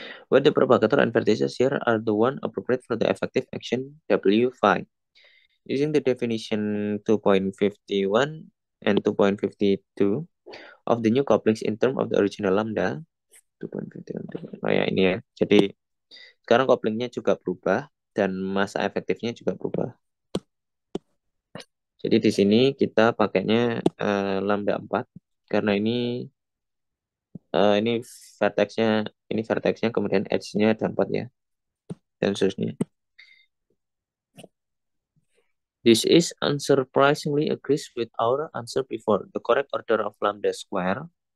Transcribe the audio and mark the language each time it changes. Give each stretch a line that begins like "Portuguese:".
English: When the propagator and vertices here are the one appropriate for the effective action w phi, using the definition 2.51 and 2.52 of the new couplings in term of the original lambda 2.51.
Indonesian: Oh ya, ini ya. Jadi sekarang couplingnya juga berubah dan masa efektifnya juga berubah. Jadi di sini kita pakainya lambda 4 karena ini vertexnya kemudian edge-nya ada 4 ya. Dan seterusnya.
English: This is unsurprisingly agrees with our answer before, the correct order of lambda square.